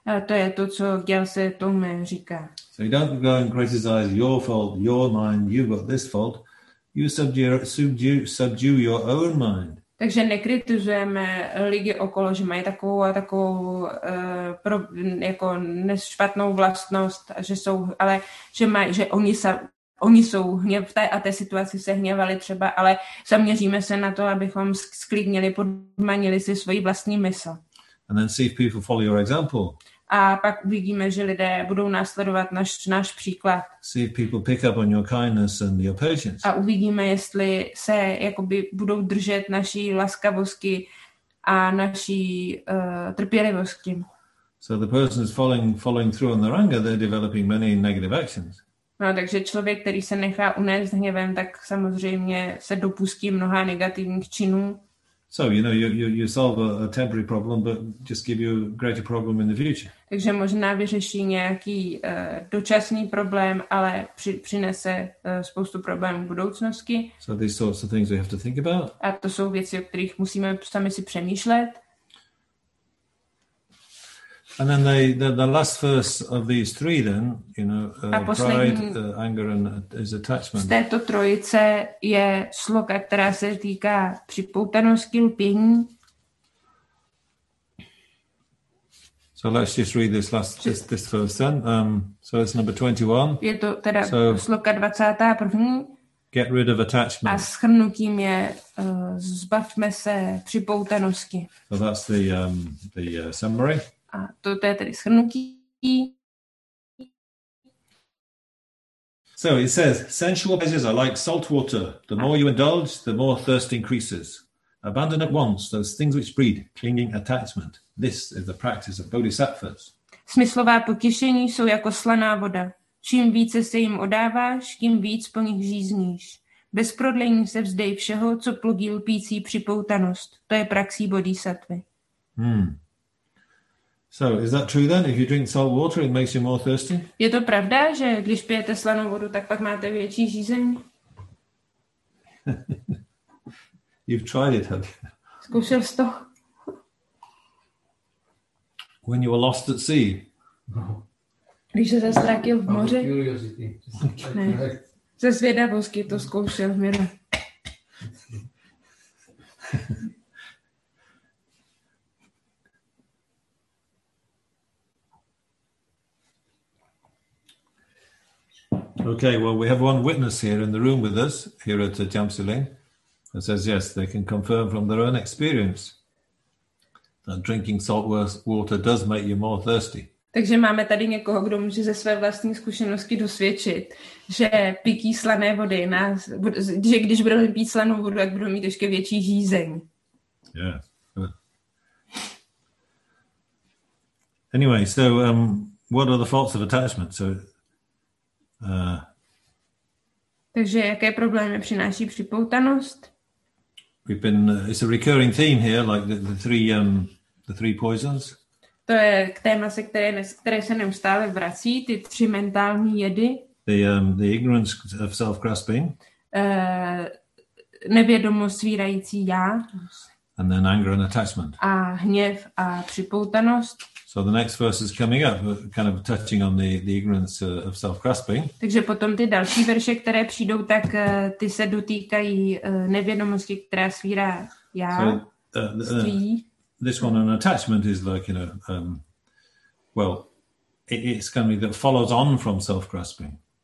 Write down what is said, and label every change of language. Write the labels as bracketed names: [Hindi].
[Czech] To je to, co Gyaltse Tongme říká. [English] So you don't go and criticize your fault, your mind, you've got this fault. You subdue your own mind. [Czech] Takže nekritizujeme lidi okolo, že mají takovou a takovou jako špatnou vlastnost, že jsou, ale že oni oni jsou hněv a té situaci se hněvali třeba, ale zaměříme se na to, abychom sklidnili, podmanili si svoji vlastní mysl. [English] And then see if people follow your example. [Czech] A pak uvidíme, že lidé budou následovat náš příklad. [English] See if people pick up on your kindness and your patience. [Czech] A uvidíme, jestli se jakoby budou držet naší laskavosti a naší trpělivosti. [English] So the person is following through on their anger, they're developing many negative actions. [Czech] No, takže člověk, který se nechá unést hněvem, tak samozřejmě se dopustí mnoha negativních činů. [English] So, you know, you solve a temporary problem, but just give you a greater problem in the future. [Czech] Takže možná vyřeší nějaký dočasný problém, ale přinese spoustu problémů v budoucnosti. [English] So these sorts of things we have to think about. [Czech] A to jsou věci, o kterých musíme sami si přemýšlet. [English] And then the last verse of these three, then, you know, pride, anger, and is attachment. [Czech] Z této trojice je sloka, která se týká připoutanosti, lpění. [English] So let's just read this last this verse then. So it's number 21. [Czech] Je to teda so sloka 21. [English] Get rid of attachment. [Czech] A shrnutím je zbavme se připoutanosti. [English] So that's the summary. [Czech] A to je tedy shrnutí. [English] So it says, sensual pleasures are like salt water. The more you indulge, the more thirst increases. Abandon at once those things which breed clinging attachment. This is the practice of bodhisattvas. [Czech] Smyslová potěšení jsou jako slaná voda. Čím více se jim odáváš, tím víc po nich žízníš. Bez prodlení se vzdej všeho, co plodí lpící připoutanost. To je praxí bodhisattvy. [English] So is that true then? If you drink salt water, it makes you more thirsty? [Czech] Je to pravda, že když pijete slanou vodu, tak pak máte větší žízeň? [English] You've tried it, have you? [Czech] Zkoušel jsi to? [English] When you were lost at sea. [Czech] Když se ztratil v moři. [English] Curiosity. [Czech] Ne. Ze zvědavosti to zkoušel, Miro. [English] Okay, well, we have one witness here in the room with us, here at Jamsiling, that says, yes, they can confirm from their own experience that drinking salt water does make you more thirsty. [Czech] Takže máme tady někoho, kdo může ze své vlastní zkušenosti dosvědčit, že pití slané vody, že když budou pít slanou vodu, tak budou mít ještě větší žízeň. [English] Yeah. Anyway, so what are the faults of attachment? So [Czech] takže jaké problémy přináší připoutanost? [English] It's a recurring theme here, like the three poisons. [Czech] To je téma, které se neustále vrací, ty tři mentální jedy. [English] The ignorance of self-grasping. [Czech] Nevědomost svírající já. [English] And then anger and attachment. [Czech] A hněv a připoutanost. [English] So the next verse is coming up, kind of touching on the ignorance of self-grasping. [Czech] Takže potom ty další verše, které přijdou, tak ty se dotýkají nevědomosti, která svírá já. [English] So, this one on attachment is like, you know, it's kind of that follows on from self-grasping.